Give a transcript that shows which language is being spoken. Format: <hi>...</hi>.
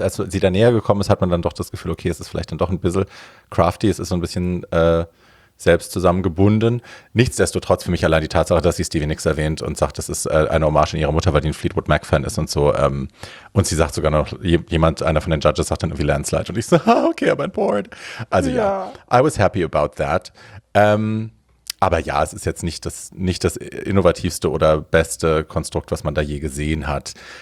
<de>Als sie da näher gekommen ist, hat man dann doch das Gefühl, okay, es ist vielleicht dann doch ein bisschen crafty, es ist so ein bisschen selbst zusammengebunden. Nichtsdestotrotz für mich allein die Tatsache, dass sie Stevie Nicks erwähnt und sagt, das ist eine Hommage an ihre Mutter, weil die ein Fleetwood Mac-Fan ist und so. Und sie sagt sogar noch, einer von den Judges sagt dann irgendwie Landslide. Und ich so, okay,</de> <en>I'm on board. Also I was happy about that.</en> <de>Aber ja, es ist jetzt nicht das innovativste oder beste Konstrukt, was man da je gesehen hat.</de>